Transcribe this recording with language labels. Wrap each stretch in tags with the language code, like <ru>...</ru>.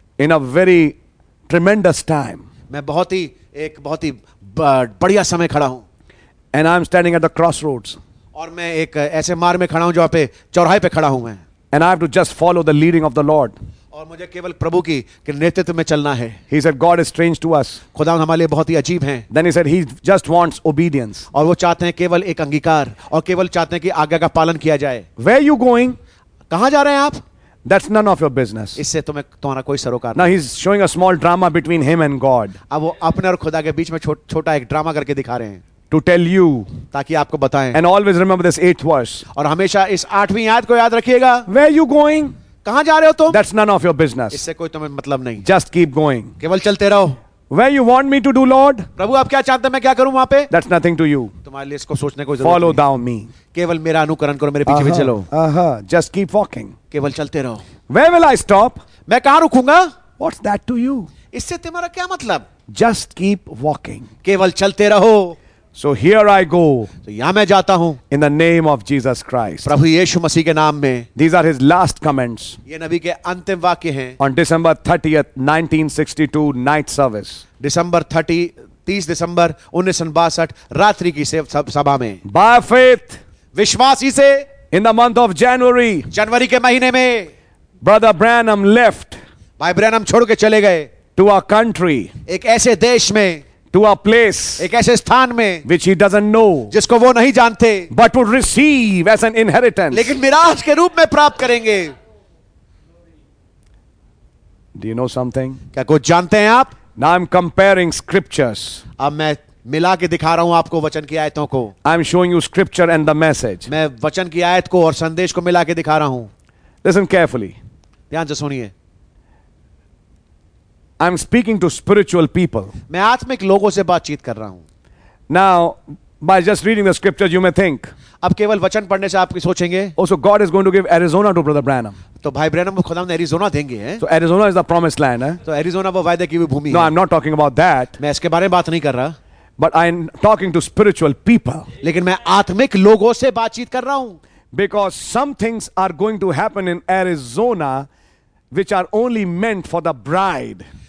<en>In a very tremendous time.</en> <hi>मैं एक बहुत ही बढ़िया समय खड़ा हूं.</hi> <en>And I'm standing at the crossroads.</en> <hi>और मैं एक ऐसे मार्ग में खड़ा हूं जहां पे चौराहे पे खड़ा हूं मैं.</hi> <en>And I have to just follow the leading of the Lord.</en> <hi>और मुझे केवल प्रभु की के नेतृत्व में चलना है.</hi> <en>He said God is strange to us.</en> <hi>खुदा हमारे लिए बहुत ही अजीब हैं.</hi> <en>Then he said he just wants obedience.</en> <hi>और वो चाहते हैं केवल एक अंगीकार और केवल चाहते हैं कि आज्ञा का पालन किया जाए.</hi> <en>Where you going?</en> <hi>कहां जा रहे हैं आप?</hi> <en>That's none of your business.</en> <hi>इससे तुम्हें तुम्हारा कोई सरोकार.</hi> <en>Now he's showing a small drama between him and God.</en> <hi>अब वो अपने और खुदा के बीच में छोटा एक ड्रामा करके दिखा रहे हैं.</hi> <en>To tell you.</en> <hi>ताकि आपको बताएं.</hi> <en>And always remember this 8th verse.</en> <hi>और हमेशा इस 8वीं आयत को याद रखिएगा.</hi> <en>Where you going?</en> <hi>कहां जा रहे हो तुम?</hi> <en>That's none of your business.</en> <hi>इससे कोई तुम्हें मतलब नहीं.</hi> <en>Just keep going.</en> <hi>केवल चलते रहो.</hi> <en>Where you want me to do, Lord?</en> <hi>प्रभु आप क्या चाहते हैं मैं क्या करूं वहां पे?</hi> <en>That's nothing to you.</en> <hi>तुम्हारे लिए इसको सोचने को जरूरत नहीं.</hi> <en>Follow me.</en> <hi>केवल मेरा अनुकरण करो मेरे पीछे भी चलो.</hi> <en>Uh-huh. Just keep walking.</en> <hi>केवल चलते रहो.</hi> <en>Where will I stop?</en> <hi>मैं कहां रुकूंगा?</hi> <en>What's that to you?</en> <hi>इससे तुम्हारा क्या मतलब?</hi> <en>Just keep walking.</en> <hi>केवल चलते रहो.</hi> <en>So here I go.</en> <hi>तो यहां मैं जाता हूं.</hi> <en>In the name of Jesus Christ.</en> <hi>प्रभु यीशु मसीह के नाम में.</hi> <en>These are his last comments.</en> <hi>ये नबी के अंतिम वाक्य हैं.</hi> <en>On December 30th, 1962, night service.</en> <hi>December 30, 1962, रात्रि की सभा में.</hi> <en>By faith.</en> <hi>विश्वास ही से.</hi> <en>In the month of January.</en> <hi>जनवरी के महीने में.</hi> <en>Brother Branham left.</en> <hi>भाई ब्रैनम छोड़ के चले गए.</hi> <en>To a country.</en> <hi>एक ऐसे देश में.</hi> <en>To a place,</en> <hi>एक ऐसे स्थान में,</hi> <en>which he doesn't know,</en> <hi>जिसको वो नहीं जानते,</hi> <en>but would receive as an inheritance,</en> <hi>लेकिन मिराज के रूप में प्राप्त करेंगे.</hi> <en>Do you know something?</en> <hi>क्या कुछ जानते हैं आप?</hi> <en>Now I'm comparing scriptures.</en> <hi>अब मैं मिला के दिखा रहा हूं आपको वचन की आयतों को.</hi> <en>I'm showing you scripture and the message.</en> <hi>मैं वचन की आयत को और संदेश को मिला के दिखा रहा हूं.</hi> <en>Listen carefully.</en> <hi>ध्यान से सुनिए.</hi> <en>I'm speaking to spiritual people.</en> <hi>मैं आत्मिक लोगों से बातचीत कर रहा हूं.</hi> <en>Now, by just reading the scriptures, you may think.</en> <hi>अब केवल वचन पढ़ने से आप सोचेंगे.</hi> <en>Also, God is going to give Arizona to Brother Branham.</en> <hi>तो भाई ब्रैनम को खुदा ने एरिजोना देंगे हैं</hi> <en>तो Arizona is the promised land है</en> <hi>तो एरिजोना वो वायदे की भूमि है</hi> <en>no I am not talking about that</en> <hi>मैं इसके बारे में बात नहीं कर रहा</hi> <en>but I am talking to spiritual people</en> <hi>लेकिन मैं आत्मिक लोगों से बातचीत कर रहा हूं</hi> <en>because some things are going to happen in Arizona which are only meant for the bride</en>